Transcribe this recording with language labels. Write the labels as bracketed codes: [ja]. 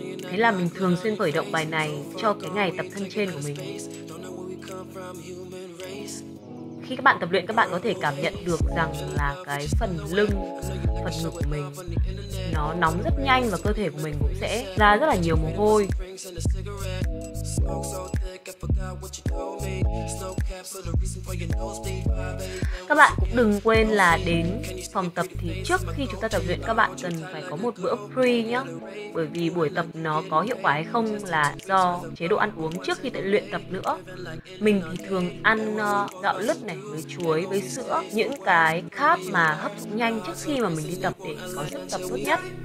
[vi] Thế là mình thường xuyên khởi động bài này cho cái ngày tập thân trên của mình. Khi các bạn tập luyện, các bạn có thể cảm nhận được rằng là cái phần lưng, phần ngực của mình nó nóng rất nhanh và cơ thể của mình cũng sẽ ra rất là nhiều mồ hôi. [en] rings and a cigarette. Smoke so thick, I forgot what you told me. Snow caps are the reason for your nosebleed. [vi] Các bạn cũng đừng quên là đến phòng tập thì trước khi chúng ta tập luyện các bạn cần phải có một bữa free nhé. Bởi vì buổi tập nó có hiệu quả hay không là do chế độ ăn uống trước khi luyện tập nữa. Mình thì thường ăn gạo lứt này với chuối với sữa, những cái carb mà hấp thụ nhanh trước khi mà mình đi tập để có sức tập tốt nhất.